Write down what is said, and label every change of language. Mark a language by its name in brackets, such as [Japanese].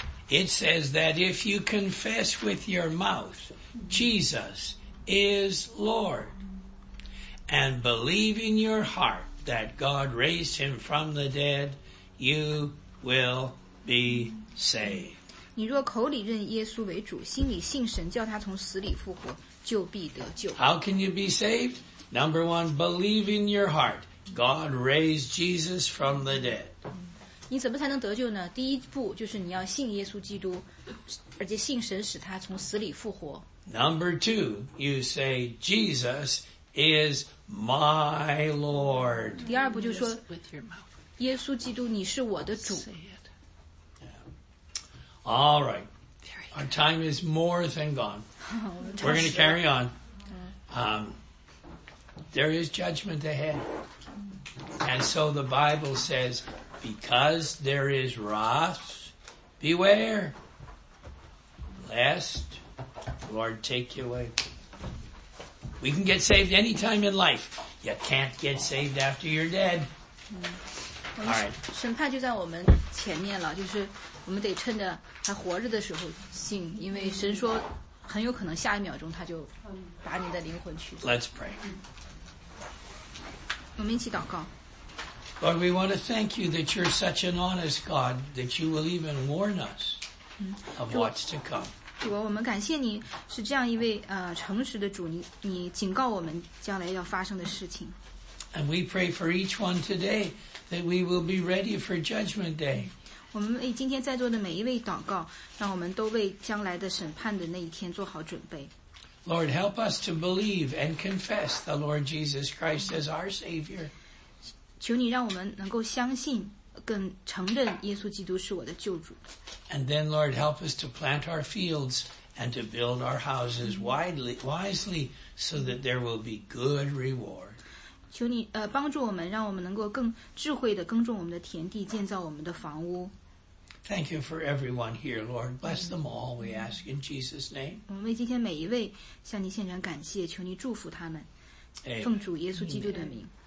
[English] It says that if you confess with your mouth, Jesus is Lord, and believe in your heart that God raised him from the dead, you will be saved. [Chinese] 你若口里认耶稣为主，心里信神叫他从死里复活，就必得救。 [English] How can you be saved? Number one, believe in your heart. God raised Jesus from the dead. [Chinese] 你怎么才能得救呢？第一步就是你要信耶稣基督，而且信神使他从死里复活。 [English] Number two, you say, Jesus is my Lord. [Chinese] 第二步就说 [English] with your mouth. [Chinese] 耶稣基督你是我的主。 [English] Say it. All right. Our time is more than gone. We're going to carry on. There is judgment ahead. And so the Bible says, because there is wrath, beware, lest Lord, take you away. We can get saved any time in life. You can't get saved after you're dead. All right. [Chinese] 审判就在我们前面了，就是我们得趁着还活着的时候信，因为神说很有可能下一秒钟他就把你的灵魂取走。 [English] Let's pray. [Chinese] 我们一起祷告。 [English] Lord, we want to thank you that you're such an honest God that you will even warn us of what's to come. [Chinese] 主啊，我们感谢你是这样一位诚实的主，你警告我们将来要发生的事情。 [English] And we pray for each one today that we will be ready for judgment day. [Chinese] 我们为今天在座的每一位祷告，让我们都为将来的审判的那一天做好准备。 [English] Lord, help us to believe and confess the Lord Jesus Christ as our Savior. [Chinese] 求你让我们能够相信。更承认耶稣基督是我的救主。 [English] And then, Lord, help us to plant our fields and to build our houses wisely so that there will be good reward. [Chinese] 求你帮助我们，让我们能够更智慧地耕种我们的田地，建造我们的房屋。 [English] Thank you for everyone here, Lord. Bless them all, we ask in Jesus' name. [Chinese] 我们为今天每一位向你献上感谢，求你祝福他们。奉主耶稣基督的名。